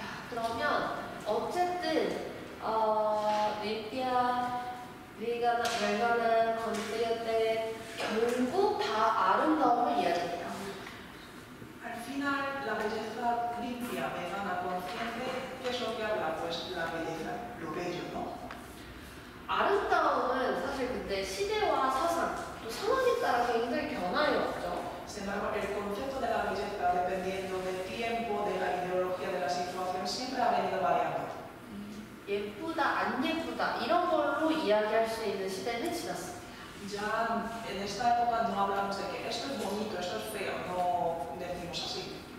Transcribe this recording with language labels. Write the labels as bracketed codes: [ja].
[ko] 그러면 어쨌든 리피아 리가나 벨가나 건드렸대 결국 다 아름다움을 이야기해요. [es] Al final, la belleza limpia, vegana, consciente, ¿qué es lo que habla? Pues la belleza, lo bello, ¿no? [ko] 아름다움은 사실 근데 시대와 사상, 또 상황에 따라 굉장히 변화해요, 그죠? [es] Sin embargo, el concepto de la belleza, dependiendo del tiempo, de la ideología, de la situación, siempre ha venido variando. [ko] 예쁘다, 안 예쁘다, 이런 걸로 이야기할 수 있는 시대는 지났어요. [es] Ya en esta época no hablamos de que esto es bonito, esto es feo, no decimos así.